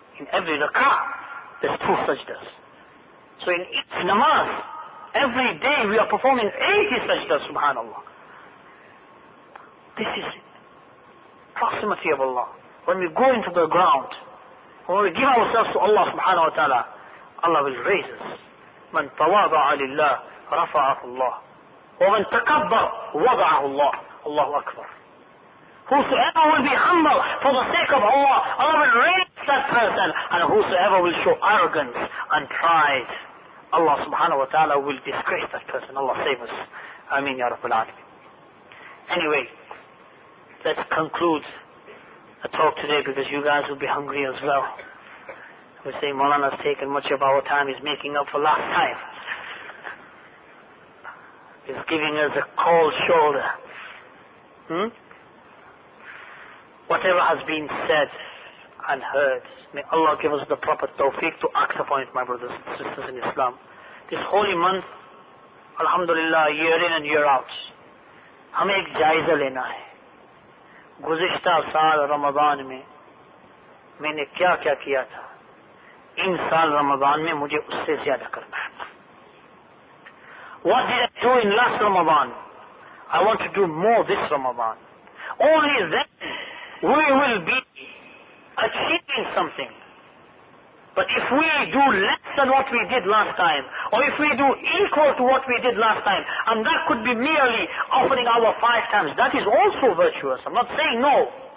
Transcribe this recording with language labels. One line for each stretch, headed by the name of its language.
English: In every rak'ah, there's two sajdas. So in each namaz, every day we are performing 80 sajdas, subhanAllah. This is proximity of Allah. When we go into the ground, when we give ourselves to Allah subhanahu wa ta'ala, Allah will raise us.
Arabic: من تواضع لله رفعه الله ومن تكبر وضعه الله. Allahu Akbar.
English: Whosoever will be humble for the sake of Allah, Allah will raise that person. And whosoever will show arrogance and pride, Allah subhanahu wa ta'ala will disgrace that person. Allah save us. Ameen ya Rabbul Alameen. Anyway, let's conclude the talk today because you guys will be hungry as well. We say Maulana has taken much of our time. He's making up for last time. He's giving us a cold shoulder. Whatever has been said and heard, may Allah give us the proper tawfiq to act upon it, my brothers and sisters in Islam. This holy month, الحمدللہ, year in and year out,
Urdu: ہمے ایک جائزہ لینا ہے. گزشتہ سال رمضان میں, میں نے کیا کیا کیا تھا? ان سال رمضان میں, مجھے اس سے زیادہ کرنا ہے.
English: What did I do in last Ramadan? I want to do more this Ramadan. Only then we will be achieving something. But if we do less than what we did last time, or if we do equal to what we did last time, and that could be merely offering our 5 times, that is also virtuous. I'm not saying no.